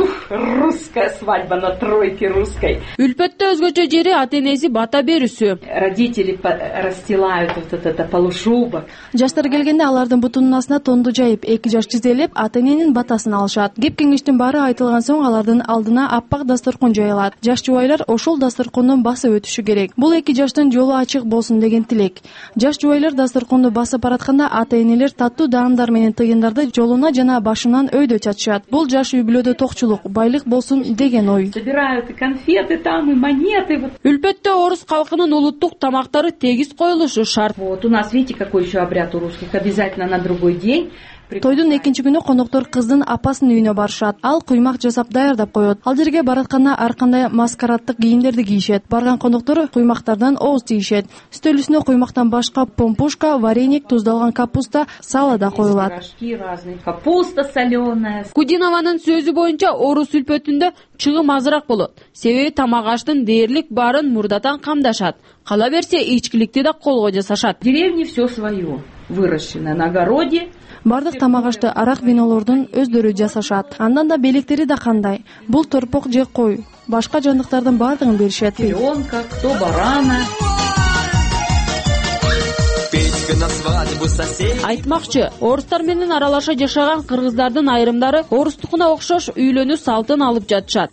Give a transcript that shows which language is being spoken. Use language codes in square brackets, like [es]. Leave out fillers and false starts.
[ru] Русская свадьба на тройке русской. [ky] Үлпөттө өзгөчө жери ата-энеси бата берүүсү. [ru] Родители расстилают вот этот полушубок. [ky] Жаштар келгенде алардын бутунун астына тонду жайып, эки жаш тизелеп ата-эненин батасын алышат. Кеп-кеңештин баары айтылган соң алардын алдына аппак дасторкон жайылат. Жаш жубайлар ошол дасторкондон басып өтүшү керек. Бул эки жаштын жолу ачык болсун деген тилек. Жаш жубайлар дастарконду басып баратканда ата-энелер таттуу даамдар менен тыйындарды жолуна жана башынан өйдө чачышат. Бул жаш үй бүлөдө токчулук, байлык болсун деген ой. [ru] Собирают и конфеты там, и монеты. [ky] Үлпөттө орус халкынын улуттук тамактары тегиз коюлушу шарт. [ru] Вот у нас, видите, какой еще обряд у русских, обязательно на другой день. [ky] Тойдун экинчи күнү коноктор кыздын апасынын үйүнө барышат. Ал куймак жасап даярдап коет. Ал жерге баратканда ар кандай маскараттык кийимдерди кийишет. Барган коноктор куймактардан ооз тийишет. Үстөл үстүнө куймактан башка помпушка, вареник, туздалган капуста, салата коюлат. [ru] Капуста солёная. [ky] Кудинованын сөзү боюнча орус үлпөтүндө чыгым азыраак болот. Себеби тамак аштын дээрлик баарын мурдатан камдашат. Кала берсе ичкиликти да колго жасашат. [ru] Деревня всё своё, выращенное на огороде. [ky] Бардык тамак ашты арак винолордун өздөрү жасашат. Андан да белектери да кандай. Бул торпок же кой. Башка жандыктардын бардыгын беришет. [ru] Теленка, кто барана. [ky] Айтмакчы, орустар менен аралаша жашаган кыргыздардын айрымдары орустукуна окшош үйлөнүү салтын алып жатышат.